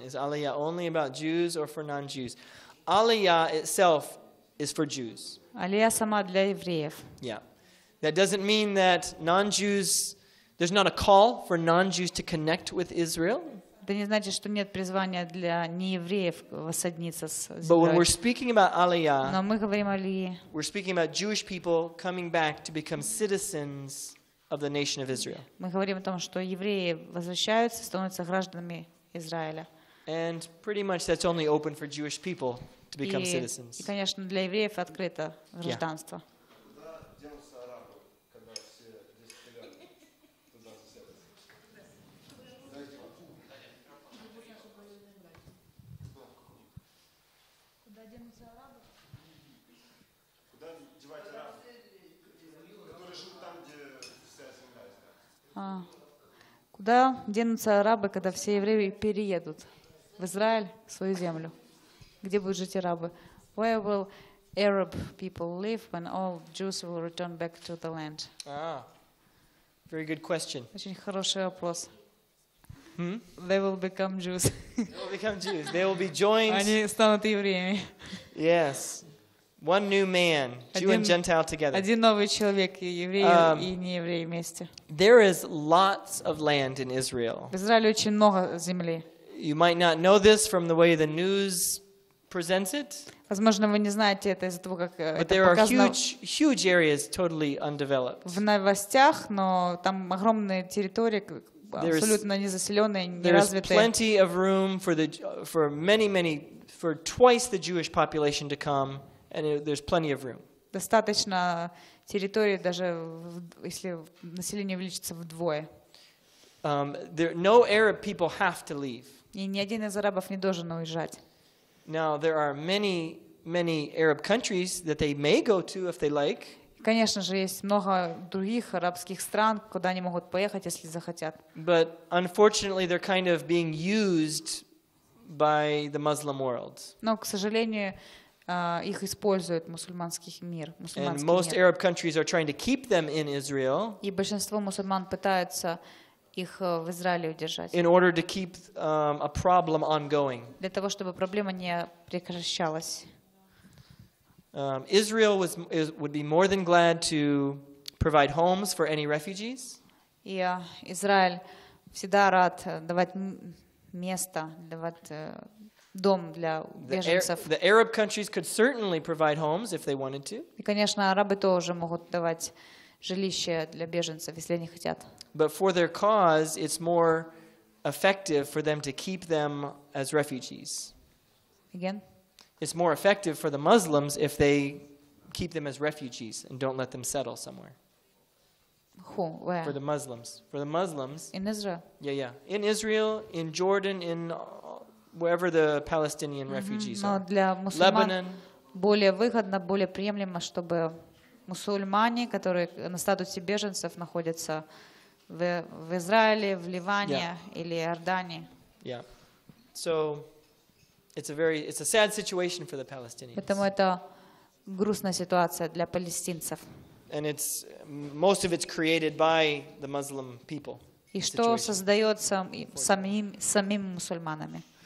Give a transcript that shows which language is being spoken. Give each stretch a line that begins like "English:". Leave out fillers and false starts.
English: Is Aliyah only about Jews or for non-Jews? Aliyah itself is for Jews.
Russian: Aliyah сама для евреев.
English: Yeah. That doesn't mean that non-Jews, there's not a call for non-Jews to connect with Israel.
Russian: Это не значит, что нет призвания для неевреев воссоединиться с Израилем.
English: But when we're speaking about Aliyah,
Russian: но мы говорим о Алии.
English: We're speaking about Jewish people coming back to become citizens of the nation of Israel.
Russian: Мы говорим о том, что евреи возвращаются, становятся гражданами Израиля.
English: And pretty much that's only open for Jewish people to become citizens.
Russian: И конечно, для евреев открыто гражданство. Куда денутся арабы, когда все евреи переедут в Израиль, в свою землю? Где будут жить арабы?
English: Where will Arab people live when all Jews will return back to the land? Very good question.
Russian: Очень хороший вопрос.
English: They will become Jews. They will become Jews. They will be joined.
Russian: Они станут евреями.
English: Yes. One new man, Jew and Gentile together.
Russian: Один новый человек, еврей и нееврей вместе.
English: There is lots of land in Israel.
Russian: В Израиле очень много земли.
English: You might not know this from the way the news presents it.
Russian: Возможно, вы не знаете это из-за того, как это показано.
English: But there are huge areas totally undeveloped.
Russian: В новостях, но там огромные территории, абсолютно незаселенные, неразвитые.
English: There is plenty of room for twice the Jewish population to come. And there's plenty of room.
Russian: Достаточно территории, даже если население увеличится вдвое.
English: No Arab people have to leave.
Russian: И ни один из арабов не должен уезжать.
English: Now there are many Arab countries that they may go to if they like.
Russian: Конечно же, есть много других арабских стран, куда они могут поехать, если захотят.
English: But unfortunately, they're kind of being used by the Muslim world.
Russian: Но, к сожалению, их используют мусульманский мир.
English: And most Arab countries are trying to keep them in Israel.
Russian: И большинство мусульман пытаются их в Израиле удержать.
English: In order to keep a problem ongoing.
Russian: Для того, чтобы проблема не прекращалась.
English: Israel would be more than glad to provide homes for any refugees.
Russian: И Израиль всегда рад давать место, давать дом для беженцев.
English: The Arab countries could certainly provide homes if they wanted to.
Russian: И, конечно, арабы тоже могут давать жилища для беженцев, если они хотят.
English: But for their cause, it's more effective for them to keep them as refugees. Again? It's more effective for the Muslims if they keep them as refugees and don't let them settle somewhere. Who? Where? For the Muslims. For the Muslims. In Israel? Yeah, yeah. In Israel, in Jordan, in wherever the Palestinian refugees are.
Russian: Но для мусульман более выгодно, более приемлемо, чтобы мусульмане, которые на статусе беженцев находятся в Израиле, в Ливане или Иордании.
English: Yeah. So it's a sad situation for the Palestinians.
Russian: Поэтому это грустная ситуация для палестинцев.
English: And it's most of it's created by the Muslim people.
Russian: И что создается самим мусульманами.